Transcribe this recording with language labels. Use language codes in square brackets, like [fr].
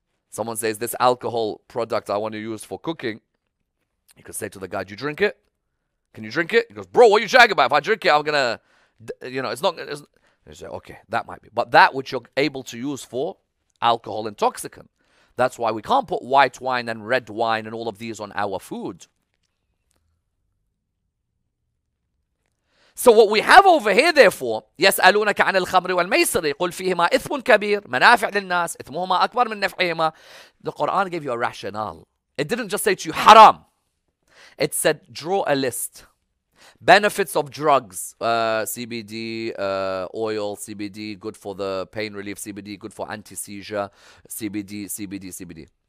[en] Someone says, this alcohol product I want to use for cooking. You could say to the guy, do you drink it? Can you drink it? He goes, bro, what are you talking about? If I drink it, I'm going to, you know, it's not. You say, okay, that might be. But that which you're able to use for alcohol intoxicant. That's why we can't put white wine and red wine and all of these on our food. So what we have over here, therefore, [ar] يسألونك عن الخمر والميسر قل فيهما إثم كبير منافع للناس إثمهما أكبر من نفعهما. [en] The Quran gave you a rationale. It didn't just say to you haram. It said draw a list. Benefits of drugs, CBD, oil, CBD, good for the pain relief, CBD, good for anti-seizure, CBD, CBD, CBD.